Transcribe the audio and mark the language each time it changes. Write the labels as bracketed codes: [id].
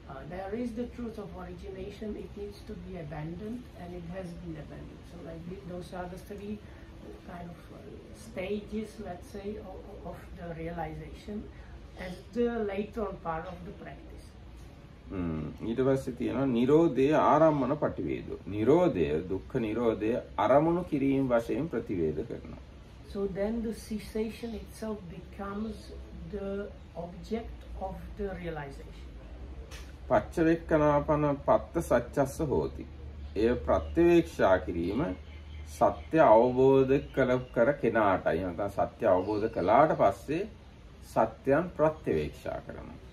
[en] There is the truth of origination, it needs to be abandoned, and it has been abandoned. So like those are the three kind of stages, let's say, of the realization as the later on part of the practice. [si] ඊට පස්සේ තියෙනවා නිරෝධයේ ආරම්මන පටිවේද. නිරෝධය දුක්ඛ නිරෝධය ආරමුණු කිරීම වශයෙන් ප්‍රතිවේද කරනවා. [en] So then the cessation itself becomes the object of the realization. [pi] පච්චවෙක්කනාපන පත්ත සච්චස්ස හෝති. [si] එය ප්‍රත්‍යවේක්ෂා කිරීම සත්‍ය අවබෝධ කර කෙනාටයි. නැත්නම් සත්‍ය අවබෝධ කළාට පස්සේ සත්‍යයන් ප්‍රත්‍යවේක්ෂා කරනවා.